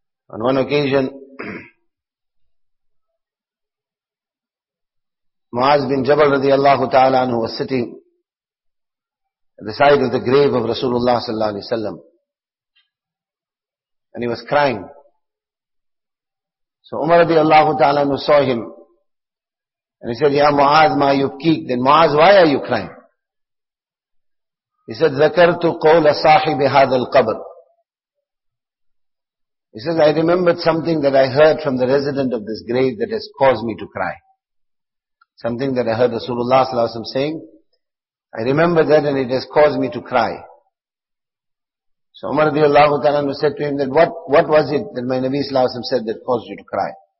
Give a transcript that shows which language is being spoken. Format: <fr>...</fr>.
<en>On one occasion, Mu'az bin Jabal radiallahu ta'ala anhu was sitting at the side of the grave of Rasulullah sallallahu alayhi wa sallam. And he was crying. So Umar radiallahu ta'ala anhu saw him. And he said,</en> <ar>Ya Mu'az, ma yubkik.</ar> <en>Then Mu'az, why are you crying? He said,</en> <ar>ذَكَرْتُ قَوْلَ صَاحِبِ هَذَا الْقَبْرِ.</ar> <en>He says, I remembered something that I heard from the resident of this grave that has caused me to cry. Something that I heard Rasulullah sallallahu alayhi wa sallam saying. I remember that and it has caused me to cry. So Umar radiallahu ta'ala said to him that what was it that my Nabi sallallahu alayhi wa sallam said that caused you to cry?</en>